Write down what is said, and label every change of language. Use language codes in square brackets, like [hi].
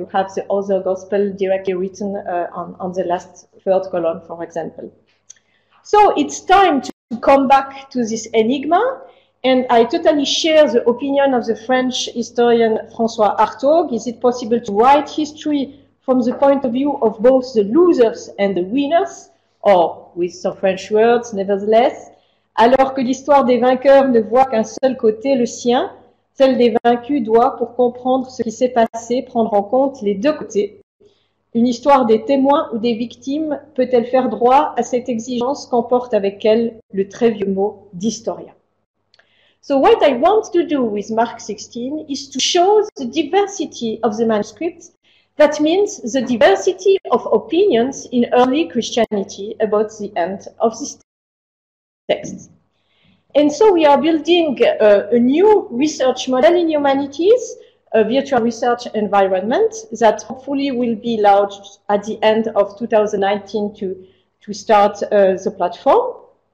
[en] You have the other Gospel directly written on the last third column, for example. So it's time to come back to this enigma. And I totally share the opinion of the French historian François Artaud. Is it possible to write history from the point of view of both the losers and the winners? Or, with some French words, nevertheless, [fr] alors que l'histoire des vainqueurs ne voit qu'un seul côté, le sien, celle des vaincus doit, pour comprendre ce qui s'est passé, prendre en compte les deux côtés. Une histoire des témoins ou des victimes peut-elle faire droit à cette exigence qu'emporte avec elle le très vieux mot d'historien? [en] So what I want to do with Mark 16 is to show the diversity of the manuscripts. That means the diversity of opinions in early Christianity about the end of this text. And so we are building a new research model in humanities, a virtual research environment that hopefully will be launched at the end of 2019 to start the platform.